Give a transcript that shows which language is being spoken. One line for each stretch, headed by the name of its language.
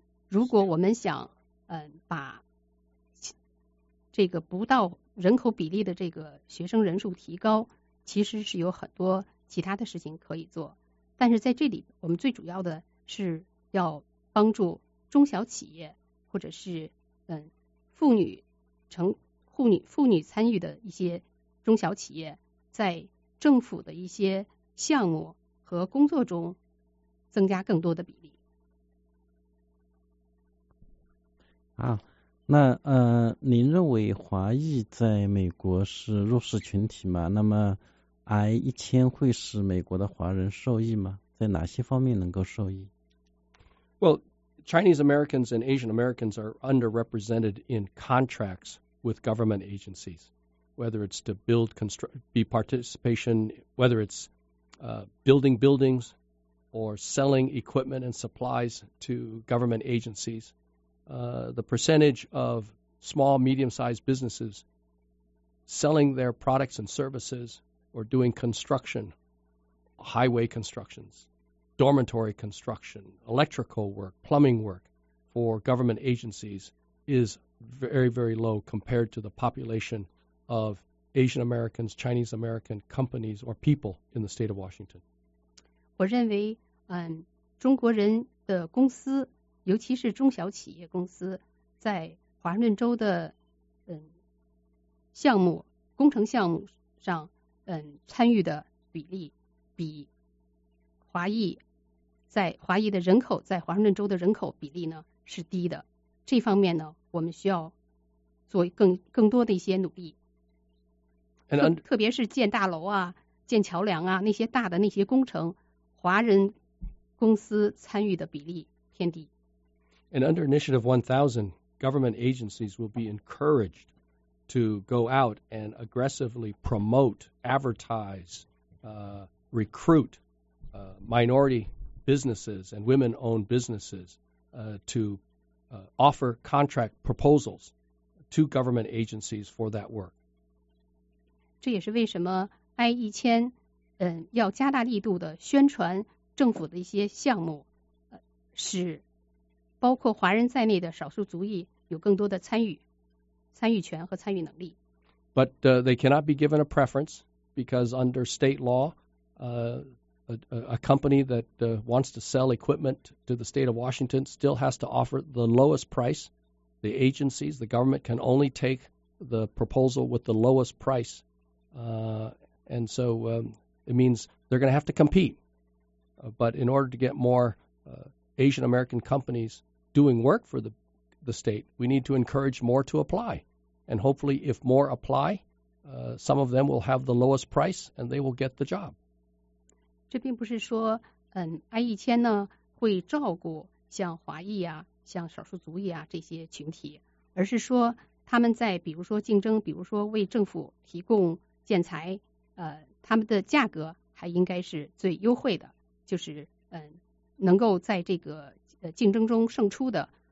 Chinese: 如果我们想把这个不到人口比例的这个学生人数提高，其实是有很多其他的事情可以做，但是在这里我们最主要的是要帮助中小企业或者是妇女参与的一些中小企业在政府的一些项目和工作中增加更多的比例。啊，那您认为华裔在美国是弱势群体吗？那么 I-1000 会使美国的华人受益吗？在哪些方面能够受益？
English: Well, Chinese Americans and Asian Americans are underrepresented in contracts with government agencies, whether it's to build participation, whether it's building buildings or selling equipment and supplies to government agencies. The percentage of small, medium-sized businesses selling their products and services or doing construction, highway constructions,dormitory construction, electrical work, plumbing work for government agencies is very, very low compared to the population of Asian Americans, Chinese American companies or people in the state of Washington.
Chinese: 我认为中国人的公司，尤其是中小企业公司，在华盛顿州的项目，工程项目上参与的比例比华裔在华裔的人口在华盛顿州的人口比例呢是低的，这方面呢我们需要做更多的一些努力，特别是建大楼啊、建桥梁啊，那些大的那些工程，华人公司参与的比例偏低。
English: And under Initiative 1000, government agencies will be encouraged to go out and aggressively promote, advertise, recruit minority businesses and women-owned businesses to offer contract proposals to government agencies for that work.
Chinese: 这也是为什么 I-1000 要加大力度的宣传政府的一些项目，使包括华人在内的少数族裔有更多的参与权和参与能力。
English: But they cannot be given a preference because under state law, a company that wants to sell equipment to the state of Washington still has to offer the lowest price. The agencies, the government can only take the proposal with the lowest price. And so it means they're going to have to compete. But in order to get more Asian American companies doing work for the state, we need to encourage more to apply. And hopefully if more apply, some of them will have the lowest price and they will get the job.
Chinese: 这并不是说I-1000 呢会照顾像华裔啊像少数族裔啊这些群体，而是说他们在比如说竞争，比如说为政府提供建材，他们的价格还应该是最优惠的，就是能够在这个竞争中胜出的。